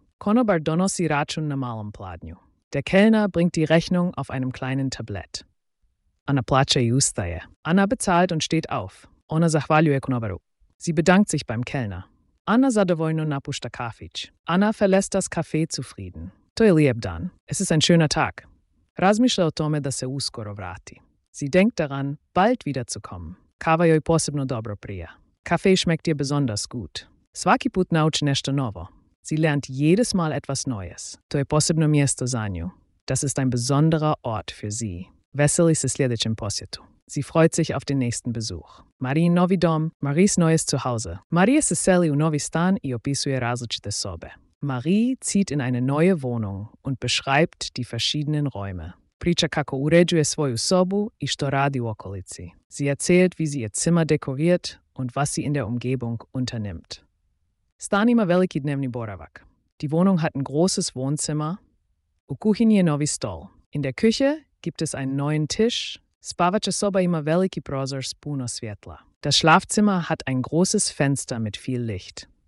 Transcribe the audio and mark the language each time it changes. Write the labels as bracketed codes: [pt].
[hr] Konobar donosi račun na malom pladnju. [de] Der Kellner bringt die Rechnung auf einem kleinen Tablett. [hr] Anna plaća i ustaje. [de] Anna bezahlt und steht auf. [hr] Ona zahvaljuje konobaru. [de] Sie bedankt sich beim Kellner. [hr] Anna zadovoljno napušta kafić. [de] Anna verlässt das Café zufrieden. [hr] To je lijep dan. [de] Es ist ein schöner Tag. [hr] Razmišlja o tome da se uskoro vrati. [de] Sie denkt daran, bald wiederzukommen. [hr] Kava joj posebno dobro prija. [de] Kaffee schmeckt ihr besonders gut. [hr] Svaki put nauči nešto novo. [de] Sie lernt jedes Mal etwas Neues. [hr] To je posebno mjesto za nju. [de] Das ist ein besonderer Ort für sie. [hr] Veseli se sljedećem posjetu. [de] Sie freut sich auf den nächsten Besuch. [hr] Marijin novi dom, [de] Maries neues Zuhause. [hr] Marija se seli u novi stan i opisuje različite sobe. [de] Marie zieht in eine neue Wohnung und beschreibt die verschiedenen Räume. [hr] Priča kako uređuje svoju sobu i što radi u okolici. [de] Sie erzählt, wie sie ihr Zimmer dekoriert und was sie in der Umgebung unternimmt. [hr] Stan ima veliki dnevni boravak. [de] Die Wohnung hat ein großes Wohnzimmer. [hr] U kuhinji je novi stol. [de] In der Küche gibt es einen neuen Tisch. [hr] Spavača soba ima veliki prozor s puno svjetla. [de] Das Schlafzimmer hat ein großes Fenster mit viel Licht.